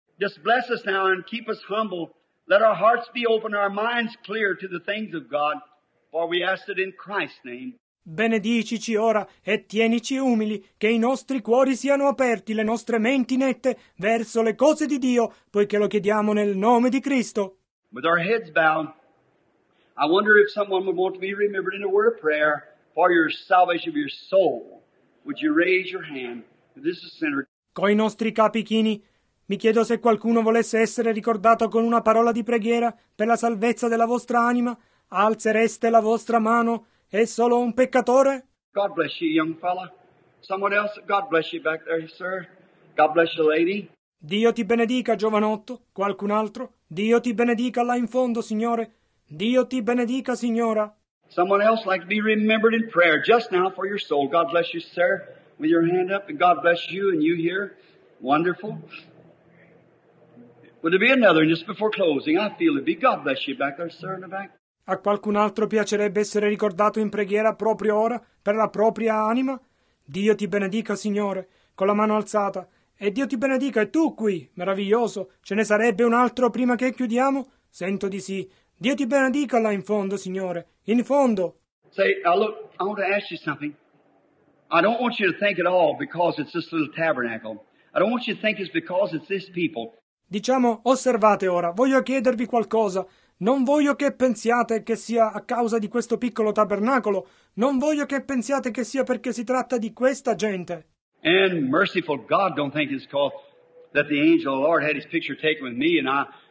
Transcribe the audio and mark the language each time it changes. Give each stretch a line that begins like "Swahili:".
English: Just bless us now and keep us humble. Let our hearts be open, our minds clear to the things of God, for we ask it in Christ's name.
Italian: Benedicici ora e tienici umili, che i nostri cuori siano aperti, le nostre menti nette verso le cose di Dio, poiché lo chiediamo nel nome di Cristo.
English: With our heads bowed, I wonder if someone would want to be remembered in a word of prayer for your salvation of your soul. Would you raise your hand? This is a sinner.
Italian: Coi nostri capi chini, mi chiedo se qualcuno volesse essere ricordato con una parola di preghiera per la salvezza della vostra anima. Alzereste la vostra mano? È solo un peccatore?
English: God bless you, young fella. Someone else? God bless you back there, sir. God bless you, lady.
Italian: Dio ti benedica, giovanotto. Qualcun altro? Dio ti benedica là in fondo, signore. Dio ti benedica, signora.
English: Someone else like to be remembered in prayer just now for your soul. God bless you, sir, with your hand up. And God bless you and you here. Wonderful. Would there be another just before closing? I feel it be. God bless you back there, sir, in the back.
Italian: A qualcun altro piacerebbe essere ricordato in preghiera proprio ora per la propria anima? Dio ti benedica, signore, con la mano alzata. E Dio ti benedica, e tu qui, meraviglioso. Ce ne sarebbe un altro prima che chiudiamo? Sento di sì. Dio ti benedica là in fondo, Signore. In fondo.
English: Say, look, I want to ask you something. I don't want you to think at all because it's this little tabernacle. I don't want you to think it's because it's this people.
Italian: Diciamo, osservate ora. Voglio chiedervi qualcosa. Non voglio che pensiate che sia a causa di questo piccolo tabernacolo. Non voglio che pensiate che sia perché si tratta di questa gente.
English: And merciful God, don't think it's because that the angel of the Lord had his picture taken with me and I...